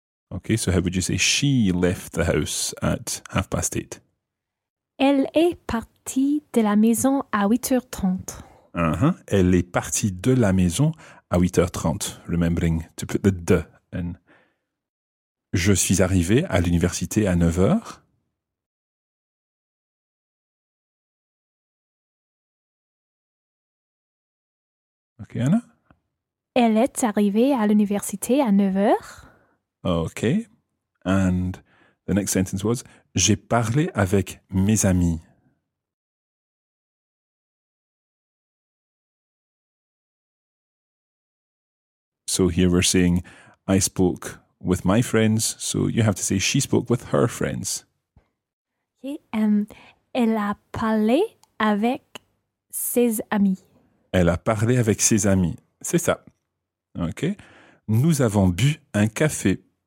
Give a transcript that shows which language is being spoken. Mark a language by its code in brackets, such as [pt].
[en] Okay, so how would you say she left the house at 8:30? [fr] Elle est partie de la maison à 8h30. [en] Uh-huh. [fr] Elle est partie de la maison à 8h30. [en] Remembering to put the de in. [fr] Je suis arrivé à l'université à 9h. [en] Okay, Anna? [fr] Elle est arrivée à l'université à 9h. [en] Okay, and the next sentence was, [fr] j'ai parlé avec mes amis. [en] So here we're saying, I spoke with my friends, so you have to say, she spoke with her friends. [fr] Okay, elle a parlé avec ses amis. Elle a parlé avec ses amis, c'est ça. Okay, nous avons bu un café.